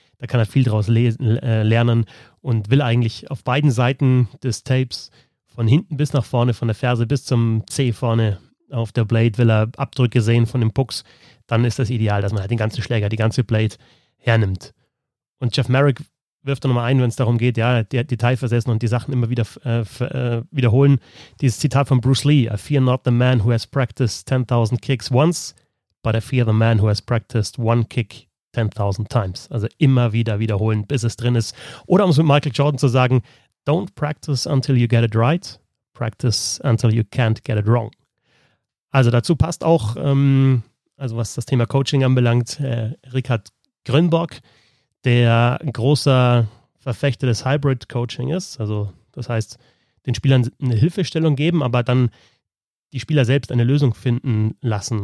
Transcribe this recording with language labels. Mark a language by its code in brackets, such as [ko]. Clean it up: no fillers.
[de] Da kann er viel draus lernen und will eigentlich auf beiden Seiten des Tapes von hinten bis nach vorne, von der Ferse bis zum Zeh vorne auf der Blade, will er Abdrücke sehen von den Pucks. Dann ist das ideal, dass man halt den ganzen Schläger, die ganze Blade hernimmt. Und Jeff Marek wirft da nochmal ein, wenn es darum geht, ja, der Detail versessen und die Sachen immer wieder wiederholen. Dieses Zitat von Bruce Lee, [en] I fear not the man who has practiced 10,000 kicks once, but I fear the man who has practiced one kick 10,000 times. [de] Also immer wieder wiederholen, bis es drin ist. Oder um es mit Michael Jordan zu sagen, [en] don't practice until you get it right, practice until you can't get it wrong. [de] Also dazu passt auch, was das Thema Coaching anbelangt, Rickard Grünberg, der großer Verfechter des Hybrid-Coaching ist. Also das heißt, den Spielern eine Hilfestellung geben, aber dann die Spieler selbst eine Lösung finden lassen.